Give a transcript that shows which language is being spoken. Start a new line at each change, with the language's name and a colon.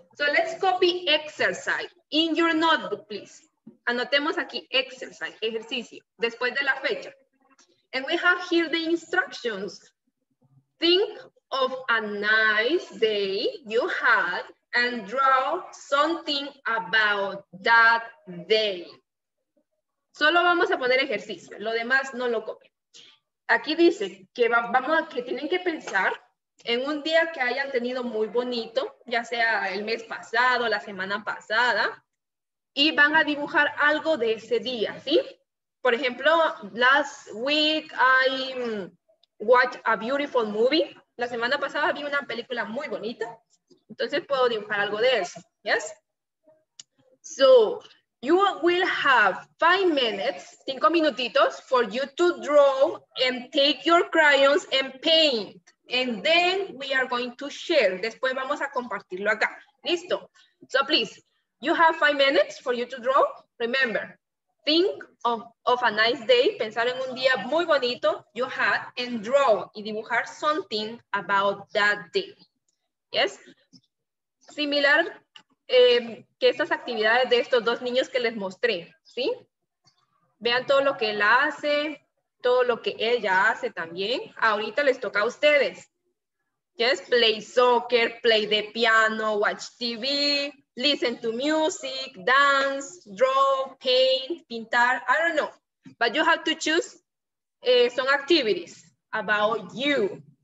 English: So let's copy exercise in your notebook, please.
Spanish: Anotemos aquí exercise, ejercicio, después de la fecha.
English: And we have here the instructions. Think of a nice day you had and draw something about that day.
Spanish: Solo vamos a poner ejercicio, lo demás no lo copien. Aquí dice que tienen que pensar en un día que hayan tenido muy bonito, ya sea el mes pasado, la semana pasada, y van a dibujar algo de ese día, ¿sí? Por ejemplo,
English: last week I watched a beautiful movie.
Spanish: La semana pasada vi una película muy bonita, entonces puedo dibujar algo de eso, ¿yes?
English: So, you will have 5 minutes, 5 minutitos, for you to draw and take your crayons and paint. And then we are going to share.
Spanish: Después vamos a compartirlo acá. Listo.
English: So please, you have 5 minutes for you to draw. Remember, think of a nice day.
Spanish: Pensar en un día muy bonito.
English: You had and draw.
Spanish: Y dibujar
English: something about that day. Yes? Similar.
Spanish: Que estas actividades de estos dos niños que les mostré, ¿sí? Vean todo lo que él hace, todo lo que ella hace también. Ahorita les toca a ustedes.
English: Yes, play soccer, play the piano, watch TV, listen to music, dance, draw, paint, pintar, I don't know. But you have to choose some activities about you.